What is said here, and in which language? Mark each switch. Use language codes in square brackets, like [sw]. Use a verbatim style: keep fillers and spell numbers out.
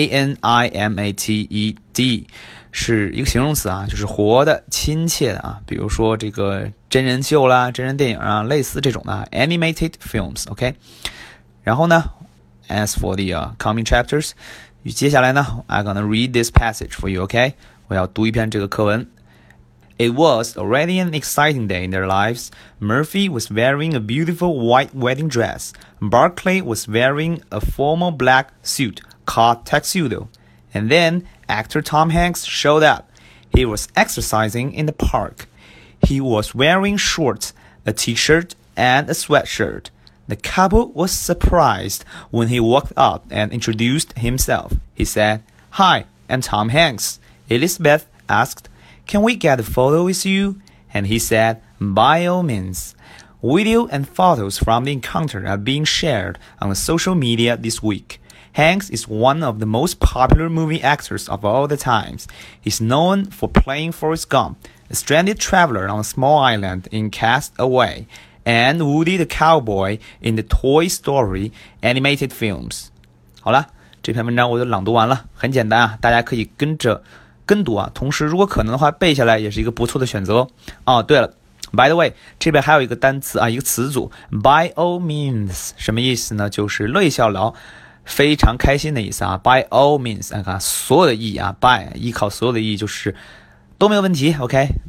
[zh] A N I M A T E D 是一个形容词啊，就是活的亲切的啊，比如说这个真人秀啦、真人电影啊，类似这种的、啊、 [en] animated films。 OK， [zh] 然后呢 [en] ，as for the、uh, coming chapters， [zh] 接下来呢 [en] ，I'm gonna read this passage for you。 [zh] OK， 我要读一篇这个课文。 [en] It was already an exciting day in their lives. Murphy was wearing a beautiful white wedding dress. Barclay was wearing a formal black suit. Called tuxedo, and then actor Tom Hanks showed up. He was exercising in the park. He was wearing shorts, a t-shirt, and a sweatshirt. The couple was surprised when he walked up and introduced himself. He said, "Hi, I'm Tom Hanks." Elizabeth asked, "Can we get a photo with you?" And he said, "By all means." Video and photos from the encounter are being shared on social media this week. Hanks is one of the most popular movie actors of all the times. He's known for playing Forrest Gump, a stranded traveler on a small island in Cast Away, and Woody the Cowboy in the Toy Story animated films. [zh] 好了，这篇文章我就朗读完了，很简单啊，大家可以跟着跟读啊。同时，如果可能的话，背下来也是一个不错的选择哦。对了。 [en] By the way, [zh] 这边还有一个单词啊，一个词组 by all means 什么意思呢？就是乐意效劳。非常开心的意思啊 ，by all means， 啊，所有的意义啊 ，by 依靠所有的意义就是都没有问题 ，OK？